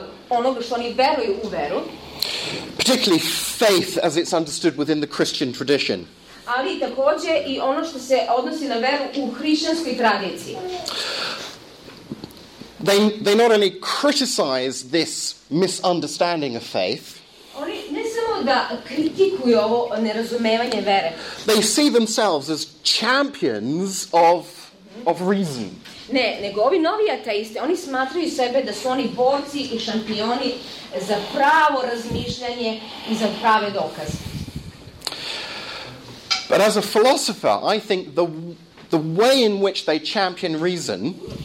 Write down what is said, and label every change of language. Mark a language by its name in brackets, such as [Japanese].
[Serbian] onoga što oni veruju u veru. [English] Particularly faith as it's understood within the Christian tradition. [Serbian] Ali takođe I ono što se odnosi na veru u hrišćanskoj tradiciji. [English] They not only criticize this misunderstanding of faith. [Serbian] Oni ne samo da kritikuju ovo nerazumevanje vere. [English] They see themselves as champions of reason. [Serbian] Ne, nego ovi novi ateisti, oni smatraju sebe da su oni borci I šampioni za pravo razmišljanje I za prave dokaze. [English] But as a philosopher, I think the way in which they champion reason.